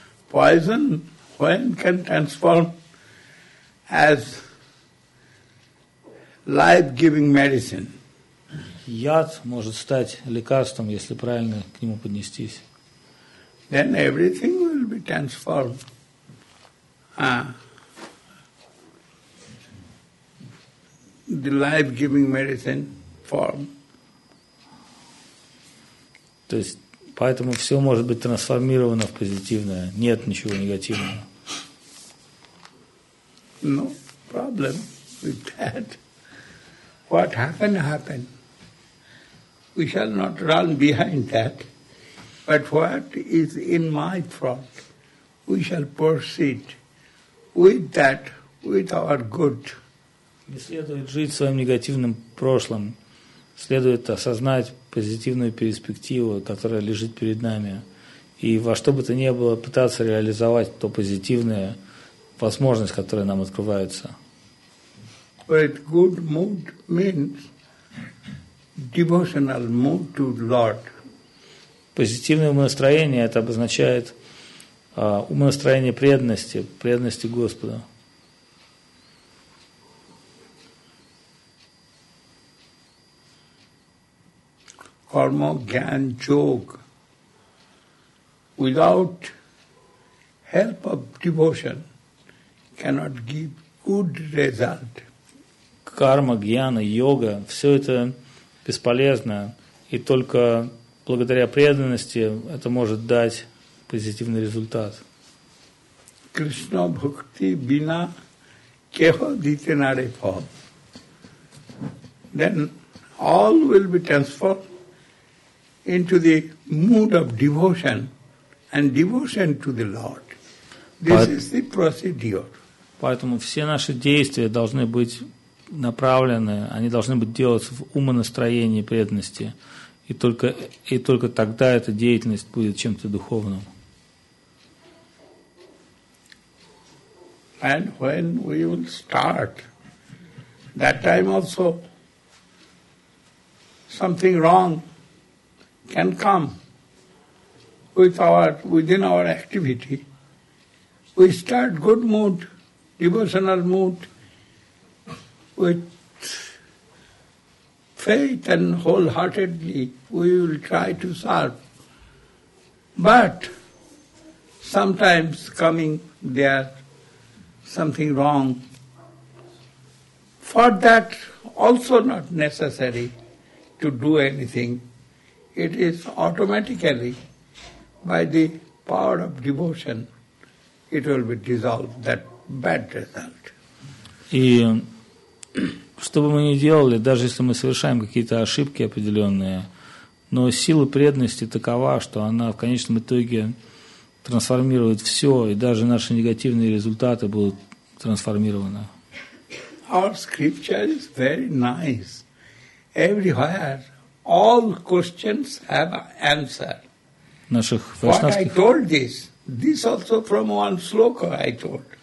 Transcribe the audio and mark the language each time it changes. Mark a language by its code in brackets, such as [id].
[en] Poison, when can transform as life-giving medicine? [ru] Яд может стать лекарством, если правильно к нему поднестись. [en] Then everything will be transformed. The life-giving medicine form. [ru] То есть, поэтому все может быть трансформировано в позитивное. Нет ничего негативного. [en] No problem with that. What happened, happened. We shall not run behind that. But what is in my front, we shall proceed with that, with our good. [ru] Не следует жить своим негативным прошлым. Следует осознать позитивную перспективу, которая лежит перед нами. И во что бы то ни было пытаться реализовать то позитивное, возможность, которая нам открывается. [en] But good mood means devotional mood to Lord. [ru] Позитивное умонастроение – это обозначает умонастроение преданности, преданности Господу. [sa] Karma, gyan, yoga. [en] Without help of devotion, cannot give good result. [ru] Карма, гьяна, йога – все это бесполезно, и только благодаря преданности это может дать позитивный результат. [bn] Krishna bhakti bina keho dite nare phal. [en] Then all will be transformed into the mood of devotion and devotion to the Lord. This is the procedure. [ru] Поэтому все наши действия должны быть направлены, они должны быть делаться в умонастроении преданности, и только тогда эта деятельность будет чем-то духовным. [en] And when we will start, that time also something wrong can come within our activity. We start good mood, devotional mood, with faith and wholeheartedly we will try to solve. But sometimes coming there something wrong, for that also not necessary to do anything. It is automatically, by the power of devotion, it will be dissolved, that bad result. [ru] И что бы мы ни делали, даже если мы совершаем какие-то ошибки определенные, но сила преданности такова, что она в конечном итоге трансформирует все, и даже наши негативные результаты будут трансформированы. [en] Our scripture is very nice. Everywhere. All questions have answer. [ru] Наших вайшнавских... [en] What I told this also from one sloka I told.